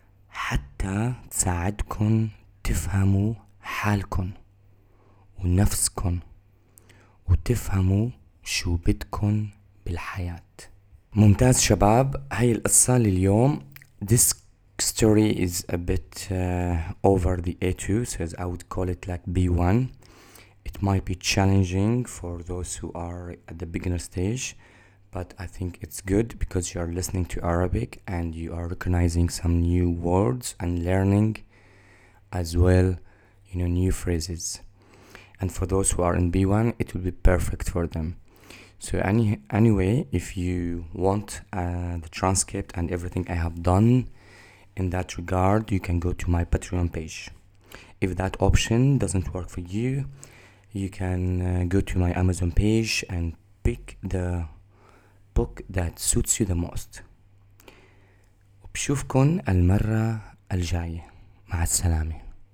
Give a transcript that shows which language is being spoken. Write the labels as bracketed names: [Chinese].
[Arabic] حتى تساعدكن تفهموا حالكن ونفسكن وتفهموا شو بدكن بالحياة. ممتاز شباب، هاي القصة لليوم. [English] This story is a bit over the A2, so I would call it like B1. It might be challenging for those who are at the beginner stage, but I think it's good because you are listening to Arabic and you are recognizing some new words and learning as well, you know, new phrases. And for those who are in B1, it will be perfect for them. So anyway, if you want the transcript and everything I have done in that regard, you can go to my Patreon page. If that option doesn't work for you, you can go to my Amazon page and pick the book that suits you the most. [Arabic] وبشوفكن المرة الجاية. مع السلامة.